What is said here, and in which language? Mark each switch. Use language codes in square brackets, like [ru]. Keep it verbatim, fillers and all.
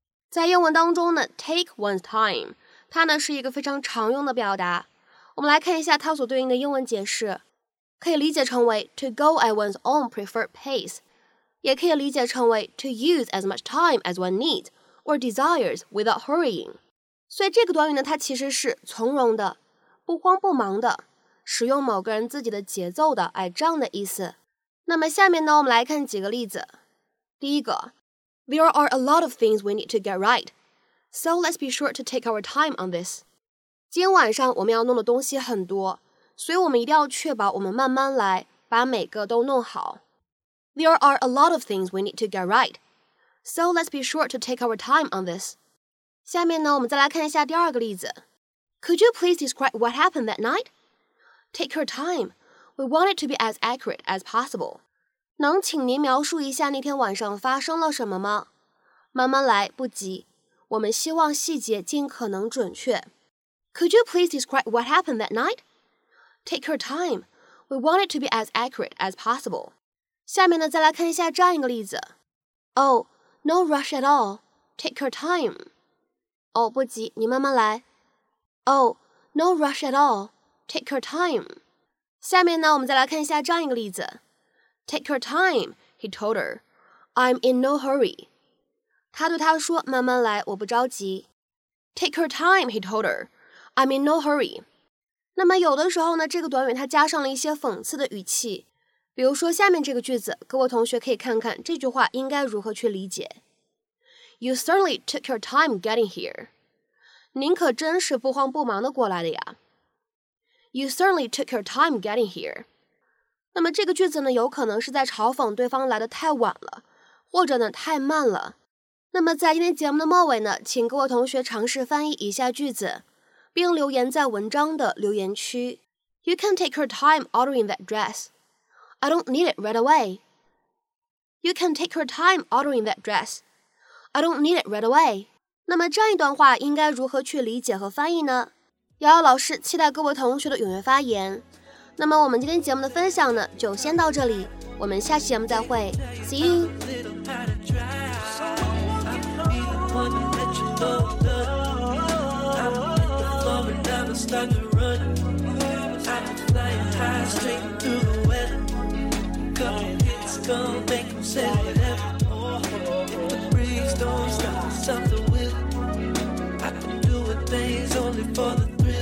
[zh] 在英文当中呢 take one's time 它呢是一个非常常用的表达。我们来看一下它所对应的英文解释，可以理解成为 [en] to go at one's own preferred pace， [zh] 也可以理解成为 [en] to use as much time as one needs. Or desires without hurrying. [zh] 所以这个短语呢，它其实是从容的、不慌不忙的，使用某个人自己的节奏的，哎，这样的意思。那么下面呢，我们来看几个例子。第一个 [en] ，There are a lot of things we need to get right, so let's be sure to take our time on this. [zh] 今天晚上我们要弄的东西很多，所以我们一定要确保我们慢慢来，把每个都弄好。 [en] There are a lot of things we need to get right. So let's be sure to take our time on this. [zh] 下面呢，我们再来看一下第二个例子。 [en] Could you please describe what happened that night? Take your time. We want it to be as accurate as possible. [zh] 能请您描述一下那天晚上发生了什么吗？慢慢来，不急。我们希望细节尽可能准确。 [en] Could you please describe what happened that night? Take your time. We want it to be as accurate as possible. [zh] 下面呢，再来看一下这样一个例子。 [en] Oh. No rush at all. Take your time. [zh] 哦，不急，你慢慢来。 [en] Oh, no rush at all. Take your time. [zh] 下面呢，我们再来看一下这样一个例子。 [en] Take your time, he told her. I'm in no hurry. [zh] 他对她说，慢慢来，我不着急。 [en] Take your time, he told her. I'm in no hurry. [zh] 那么有的时候呢，这个短语它加上了一些讽刺的语气。比如说下面这个句子，各位同学可以看看这句话应该如何去理解。 [en] You certainly took your time getting here. [zh] 您可真是不慌不忙的过来的呀。 [en] You certainly took your time getting here. [zh] 那么这个句子呢，有可能是在嘲讽对方来得太晚了，或者呢太慢了。那么在今天节目的末尾呢，请各位同学尝试翻译一下句子，并留言在文章的留言区。 [en] You can take her time ordering that dress. I don't need it right away. You can take her time ordering that dress. I don't need it right away. [zh] 那么这样一段话应该如何去理解和翻译呢？瑶瑶老师期待各位同学的踊跃发言。那么我们今天节目的分享呢，就先到这里，我们下期节目再会 ， [en] See you.